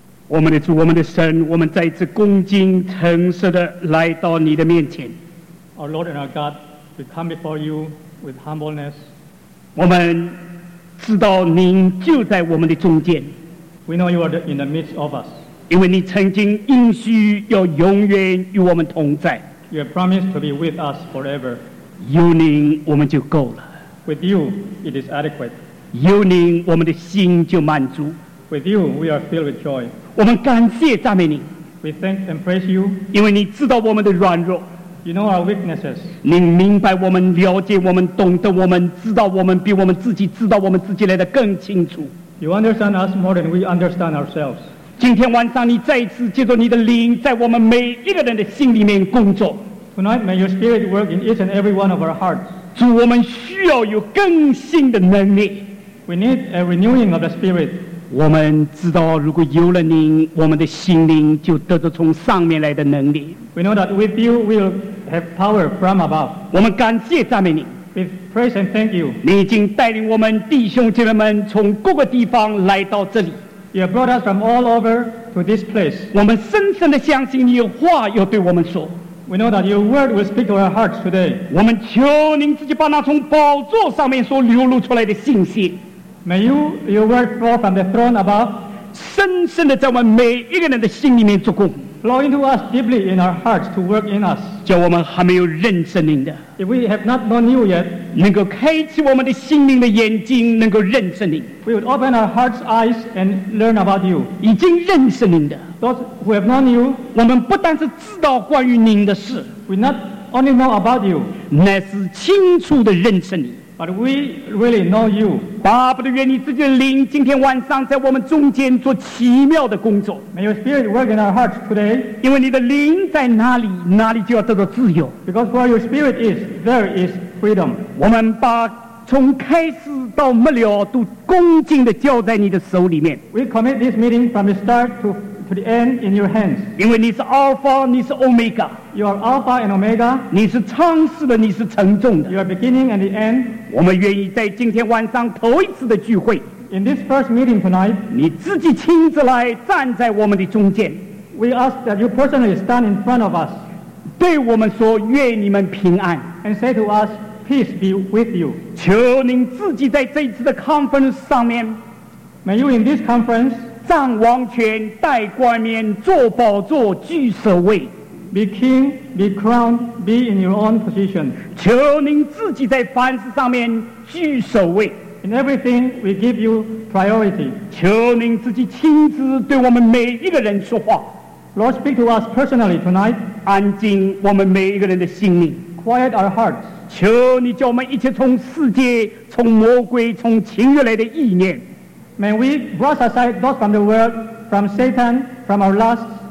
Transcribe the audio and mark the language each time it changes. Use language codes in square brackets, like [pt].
[zh] 我们的主，我们的神，我们再次恭敬诚实地来到你的面前。 [en] Our Lord and our God, we come before you with humbleness. [zh] 我们知道您就在我们的中间。 [en] We know you are in the midst of us. [zh] 因为你曾经应许要永远与我们同在。 [en] You have promised to be with us forever. [zh] 有您我们就够了。 [en] With you, it is adequate. [zh] 有您我们的心就满足。 [en] With you, we are filled with joy. [zh] 我们感谢赞美你。 [en] We thank and praise you. [zh] 因为你知道我们的软弱。 [en] You know our weaknesses. [zh] 你明白我们，了解我们，懂得我们，知道我们，比我们自己知道我们自己来得更清楚。 [en] You understand us more than we understand ourselves. [zh] 今天晚上，你再一次借着你的灵，在我们每一个人的心里面工作。 [en] Tonight, may your spirit work in each and every one of our hearts. [zh] 主，我们需要有更新的能力。 [en] We need a renewing of the spirit. [zh] 我们知道，如果有了您，我们的心灵就得着从上面来的能力。 [en] We know that with you, we'll have power from above. [zh] 我们感谢赞美你。 [en] We praise and thank you. [zh] 你已经带领我们弟兄姐妹们从各个地方来到这里。 [en] You have brought us from all over to this place. [zh] 我们深深地相信你有话要对我们说。 [en] We know that your word will speak to our hearts today. [zh] 我们求您自己把那从宝座上面所流露出来的信息。 [en] May you, your word fall from the throne above. [zh] 深深地在我们每一个人的心里面做工。 [en] Flow into us deeply in our hearts to work in us. [zh] 叫我们还没有认识您的。 [en] If we have not known you yet, [zh] 能够开启我们的心灵的眼睛，能够认识您。 [en] We would open our hearts' eyes and learn about you. [zh] 已经认识您的。 [en] Those who have known you, [zh] 我们不但是知道关于您的事。 [en] We not only know about you, [zh] 乃是清楚地认识你。 [en] But we really know you. [zh] 巴不得愿你自己的灵今天晚上在我们中间做奇妙的工作。 [en] May your spirit work in our hearts today. [zh] 因为你的灵在哪里，哪里就要得到自由。 [en] Because where your spirit is, there is freedom. [zh] 我们把从开始到末了都恭敬地交在你的手里面。 [en] We commit this meeting from the start to the end in your hands. [zh] 因为你是 Alpha, 你是 Omega. [en] You are Alpha and Omega. [zh] 你是创始的，你是承重的。 [en] You are beginning and the end. [zh] 我们愿意在今天晚上头一次的聚会。 [en] In this first meeting tonight, [zh] 你自己亲自来站在我们的中间。 [en] We ask that you personally stand in front of us. [zh] 对我们说，愿你们平安。 [en] And say to us, peace be with you. [zh] 求您自己在这一次的 conference 上面。 [en] May you in this conference, [zh] 掌王权，戴冠冕，坐宝座，居首位。 [en] Be king, be crowned, be in your own position. [zh] 求您自己在凡事上面居首位。 [en] In everything, we give you priority. [zh] 求您自己亲自对我们每一个人说话。 [en] Lord, speak to us personally tonight. [zh] 安静我们每一个人的心灵。 [en] Quiet our hearts. [zh] 求你叫我们一切从世界、从魔鬼、从情欲来的意念。 [en] May we brush aside those from the world, from Satan, from our lusts,